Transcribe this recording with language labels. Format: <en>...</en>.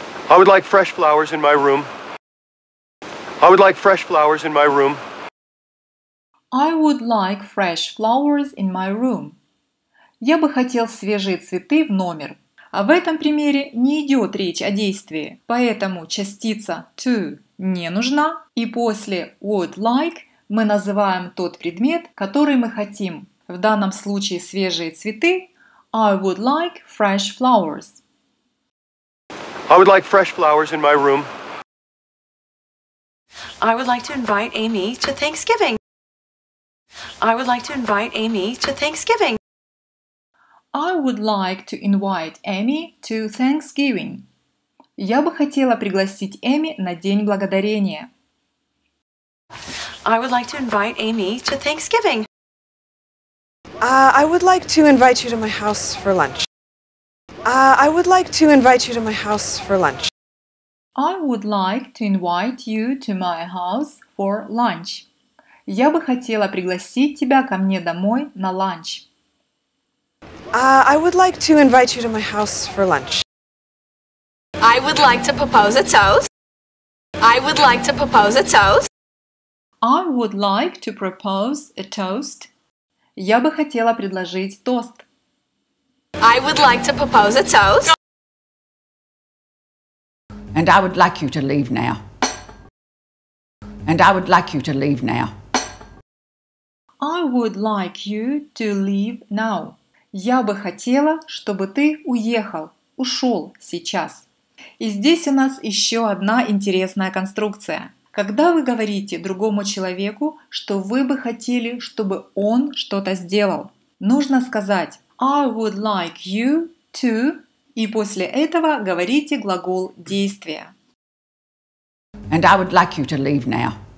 <en>I would like fresh flowers in my room. I would like fresh flowers in my room. I would like fresh flowers in my room.</en> <ru>Я бы хотел свежие цветы в номер. А в этом примере не идет речь о действии, поэтому частица to не нужна. И после would like мы называем тот предмет, который мы хотим. В данном случае свежие цветы.</ru> <en>I would like fresh flowers. I would like fresh flowers in my room. I would like to invite Amy to Thanksgiving. I would like to invite Amy to Thanksgiving. I would like to invite Amy to Thanksgiving.</en> <ru>Я бы хотела пригласить Эми на День благодарения.</ru> <en>I would like to invite Amy to Thanksgiving. I would like to invite you to my house for lunch. I would like to invite you to my house for lunch. I would like to invite you to my house for lunch.</en> <ru>Я бы хотела пригласить тебя ко мне домой на ланч.</ru> <en>I would like to invite you to my house for lunch. I would like to propose a toast. I would like to propose a toast. I would like to propose a toast.</en> <ru>Я бы хотела предложить тост.</ru> <en>I would like to propose a toast. And I would like you to leave now. And I would like you to leave now. I would like you to leave now.</en> <ru>Я бы хотела, чтобы ты уехал, ушел сейчас. И здесь у нас еще одна интересная конструкция. Когда вы говорите другому человеку, что вы бы хотели, чтобы он что-то сделал, нужно сказать</ru> <en>I would like you to,</en> <ru>и после этого говорите глагол действия.</ru> <en>And I would like you to leave now.</en>